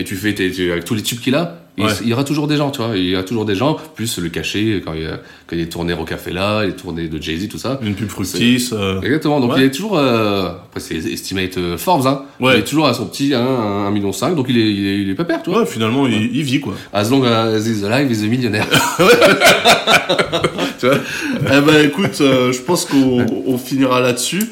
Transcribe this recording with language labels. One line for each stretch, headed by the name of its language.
French: Et tu fais avec tous les tubes qu'il a, il y aura toujours des gens, tu vois. Il y aura toujours des gens, plus le cachet, quand il est tourné Rocafella, les tournées de Jay-Z, tout ça. Une pub Fructis. Exactement. Donc il est toujours, après c'est estimate Forbes, hein. Ouais. Il est toujours à son petit 1,5 million, donc il est pas pépère, tu vois. Ouais, finalement, il vit, quoi.
English: As long as he's alive, he's a millionaire.
French: Tu vois. Je pense qu'on finira là-dessus.